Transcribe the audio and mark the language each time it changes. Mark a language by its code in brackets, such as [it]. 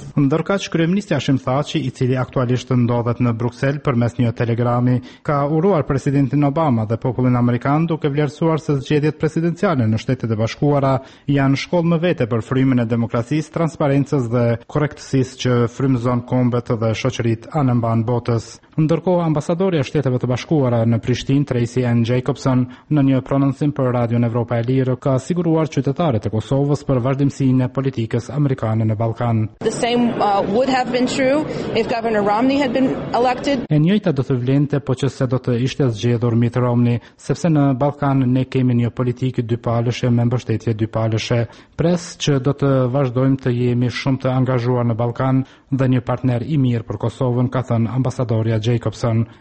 [sq] Ndërkaq, kryeministja Hashim Thaçi, i cili aktualisht ndodhet në Bruksel përmes një telegrami, ka uruar presidentin Obama dhe popullin amerikan duke vlerësuar se zgjedhjet presidenciale në Shtetet e Bashkuara janë shkollë më vete për frymën e demokracisë, transparencës dhe korrektësisë që frymëzon kombet dhe shoqëritë anëmban botës. Ndërkohë, ambasadori i Shteteve të Bashkuara në Prishtinë, Tracy N. Jacobson, në një prononcim për Radio Evropa e Lirë, ka siguruar qytetarët e Kosovës për vazhdimsinë e politikës amerikane në Ballkan. [en] Would have been true if Governor Romney had been elected. [sq] E njëjta do të vlente, po qëse do të ishte zgjedhur Mitt Romney, sepse në Ballkan ne kemi një politikë dypalëshe me mbështetje dypalëshe. Pres që do të vazhdojmë të jemi shumë të angazhuar në Ballkan dhe një partner i mirë për Kosovën, ka thënë ambasadorja Jacobson.